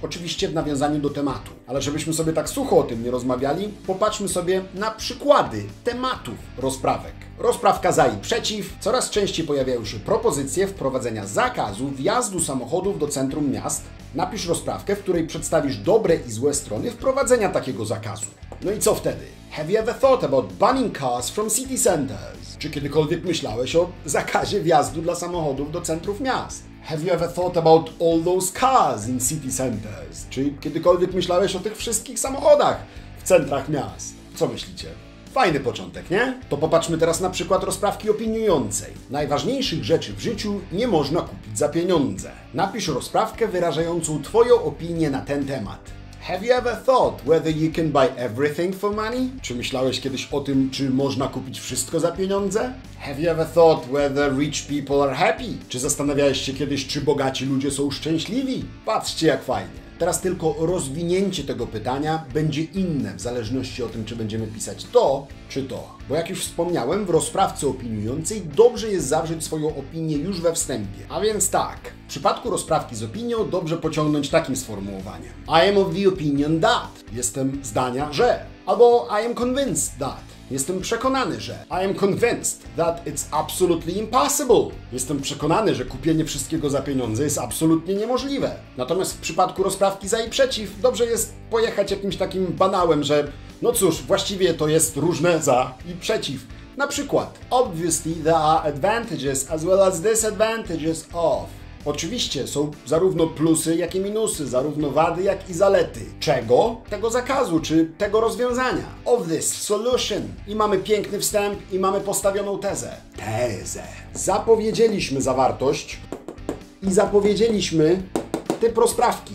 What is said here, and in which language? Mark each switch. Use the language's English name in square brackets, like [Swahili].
[Polish] Oczywiście w nawiązaniu do tematu. Ale żebyśmy sobie tak sucho o tym nie rozmawiali, popatrzmy sobie na przykłady tematów rozprawek. Rozprawka za i przeciw. Coraz częściej pojawiają się propozycje wprowadzenia zakazu wjazdu samochodów do centrum miast. Napisz rozprawkę, w której przedstawisz dobre i złe strony wprowadzenia takiego zakazu. No i co wtedy? [English] Have you ever thought about banning cars from city centers? [Polish] Czy kiedykolwiek myślałeś o zakazie wjazdu dla samochodów do centrów miast? [English] Have you ever thought about all those cars in city centers? [Polish] Czy kiedykolwiek myślałeś o tych wszystkich samochodach w centrach miast? Co myślicie? Fajny początek, nie? To popatrzmy teraz na przykład rozprawki opiniującej. Najważniejszych rzeczy w życiu nie można kupić za pieniądze. Napisz rozprawkę wyrażającą twoją opinię na ten temat. [English] Have you ever thought whether you can buy everything for money? [Polish] Czy myślałeś kiedyś o tym, czy można kupić wszystko za pieniądze? [English] Have you ever thought whether rich people are happy? [Polish] Czy zastanawiałeś się kiedyś, czy bogaci ludzie są szczęśliwi? Patrzcie, jak fajnie. Teraz tylko rozwinięcie tego pytania będzie inne w zależności od tym, czy będziemy pisać to, czy to. Bo jak już wspomniałem, w rozprawce opiniującej dobrze jest zawrzeć swoją opinię już we wstępie. A więc tak, w przypadku rozprawki z opinią dobrze pociągnąć takim sformułowaniem. [English] I am of the opinion that. Jestem zdania, że. Albo I am convinced that. Jestem przekonany, że. I am convinced that it's absolutely impossible. [Polish] Jestem przekonany, że kupienie wszystkiego za pieniądze jest absolutnie niemożliwe. Natomiast w przypadku rozprawki za i przeciw, dobrze jest pojechać jakimś takim banałem, że no cóż, właściwie to jest różne za i przeciw. [English] Na przykład, obviously there are advantages as well as disadvantages of. [Polish] Oczywiście są zarówno plusy, jak i minusy, zarówno wady, jak i zalety. Czego? Tego zakazu, czy tego rozwiązania. Of this solution. I mamy piękny wstęp i mamy postawioną tezę. Tezę. Zapowiedzieliśmy zawartość i zapowiedzieliśmy typ rozprawki.